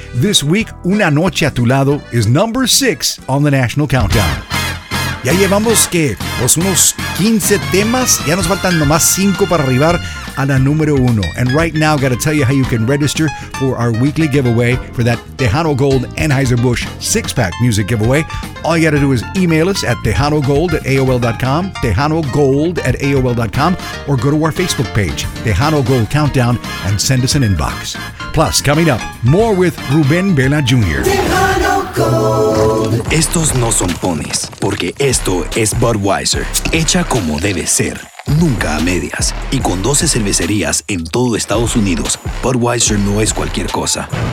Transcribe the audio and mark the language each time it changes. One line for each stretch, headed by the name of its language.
English: This week, Una Noche a Tu Lado is number 6 on the national countdown.
Spanish: Ya llevamos, ¿qué? Pues unos 15 temas. Ya nos faltan nomás 5 para arribar a la número 1.
English: And right now, got to tell you how you can register for our weekly giveaway for that Tejano Gold Anheuser-Busch 6-pack music giveaway. All you got to do is email us at TejanoGold@AOL.com, TejanoGold@AOL.com, or go to our Facebook page, Tejano Gold Countdown, and send us an inbox. Plus, coming up, more with Rubén Berna Jr. Tejano Gold.
Spanish: Estos no son ponis, porque esto es Budweiser, hecha como debe ser. Nunca a medias. Y con 12 cervecerías en todo Estados Unidos, Budweiser no es cualquier cosa.